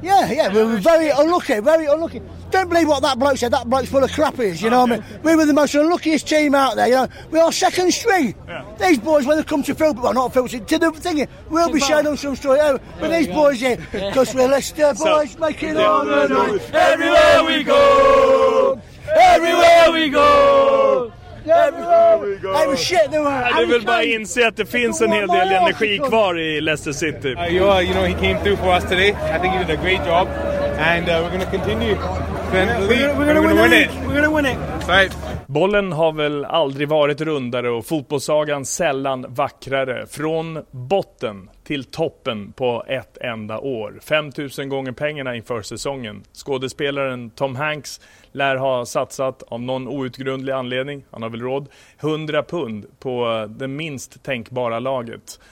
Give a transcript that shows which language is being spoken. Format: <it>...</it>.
<en>Yeah, we were very unlucky, very unlucky. Don't believe what that bloke said, that bloke's full of crap is, you know what I mean? We were the most unluckiest team out there, you know. We are second string. Yeah. These boys, when they come to Filbert, well, not Filbert, to the thing, we'll be showing them some story. Oh, but these boys here, because we're Leicester boys, so, making all the noise. Everywhere we go, everywhere we go.</en> <sv>Det är väl bara inse att det finns en hel del energi kvar i Leicester City.</sv> <en>Joa, you know, he came through for us today. I think he did a great job. And we're going to continue. We're going to win it.</en> <sv>Bollen har väl aldrig varit rundare och fotbollssagan sällan vackrare. Från botten till toppen på ett enda år. 5000 gånger pengarna inför säsongen. Skådespelaren Tom Hanks lär ha satsat, av någon outgrundlig anledning, han har väl råd, 100 pund på det minst tänkbara laget.</sv>